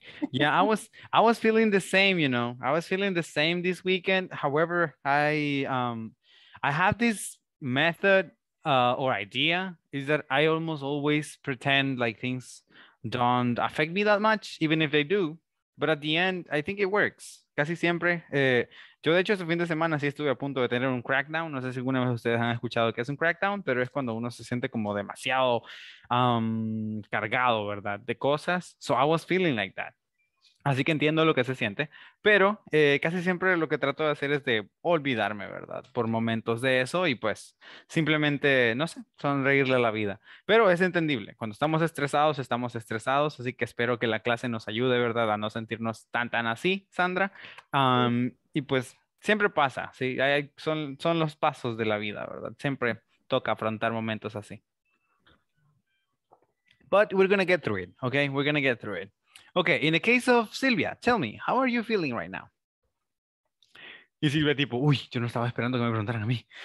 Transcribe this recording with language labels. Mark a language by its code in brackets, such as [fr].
[en] Yeah, I was feeling the same, you know. I was feeling the same this weekend. However, I have this method or idea is that I almost always pretend like things don't affect me that much, even if they do. But at the end, I think it works. [es] Casi siempre. Yo, de hecho, ese fin de semana sí estuve a punto de tener un crackdown. No sé si alguna vez ustedes han escuchado que es un crackdown, pero es cuando uno se siente como demasiado cargado, ¿verdad? De cosas. [en] So I was feeling like that. [es] Así que entiendo lo que se siente. Pero casi siempre lo que trato de hacer es de olvidarme, ¿verdad? Por momentos de eso y pues simplemente, no sé, sonreírle a la vida. Pero es entendible. Cuando estamos estresados. Así que espero que la clase nos ayude, ¿verdad? A no sentirnos tan así, Sandra. Y pues siempre pasa, ¿sí? Son los pasos de la vida, ¿verdad? Siempre toca afrontar momentos así. [en] But we're going to get through it, okay? We're going to get through it. Okay, in the case of Silvia, tell me, how are you feeling right now? [es] Y Silvia tipo, uy, yo no estaba esperando que me preguntaran a mí.